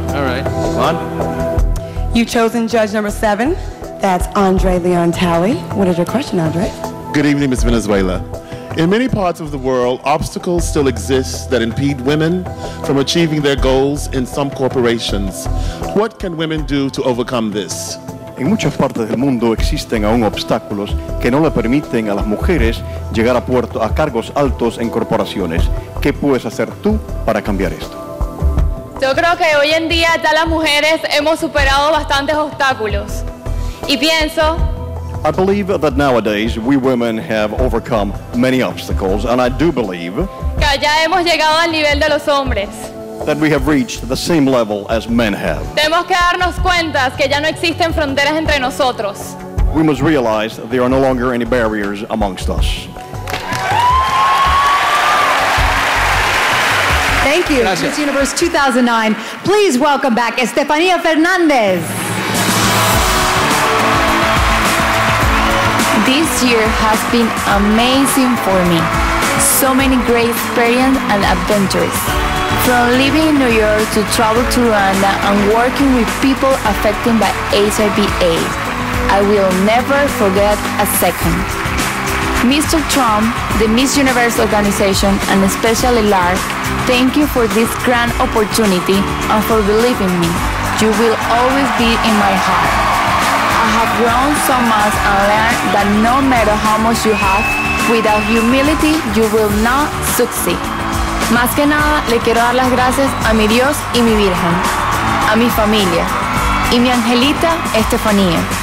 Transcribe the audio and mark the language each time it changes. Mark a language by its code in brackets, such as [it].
[en] All right, come on. You've chosen judge number 7. That's Andre Leon Talley. What is your question, Andre? Good evening, Miss Venezuela. In many parts of the world, obstacles still exist that impede women from achieving their goals in some corporations. What can women do to overcome this? [es] En muchas partes del mundo existen aún obstáculos que no le permiten a las mujeres llegar a puerto a cargos altos en corporaciones. ¿Qué puedes hacer tú para cambiar esto? Yo creo que hoy en día ya las mujeres hemos superado bastantes obstáculos. Y pienso [en] I believe that nowadays we women have overcome many obstacles, and I do believe [es] que ya hemos llegado al nivel de los hombres. [en] That we have reached the same level as men have. [es] Tenemos que darnos cuenta que ya no existen fronteras entre nosotros. [en] We must realize that there are no longer any barriers amongst us. Thank you. [es] Gracias. [en] Miss Universe 2009. Please welcome back Estefania Fernandez. This year has been amazing for me. So many great experiences and adventures. From living in New York to travel to Rwanda and working with people affected by HIV/AIDS, I will never forget a second. Mr. Trump, the Miss Universe organization, and especially Lark, thank you for this grand opportunity and for believing me. You will always be in my heart. I have grown so much and learned that no matter how much you have, without humility, you will not succeed. [es] Más que nada, le quiero dar las gracias a mi Dios y mi Virgen, a mi familia, y mi angelita, Estefanía.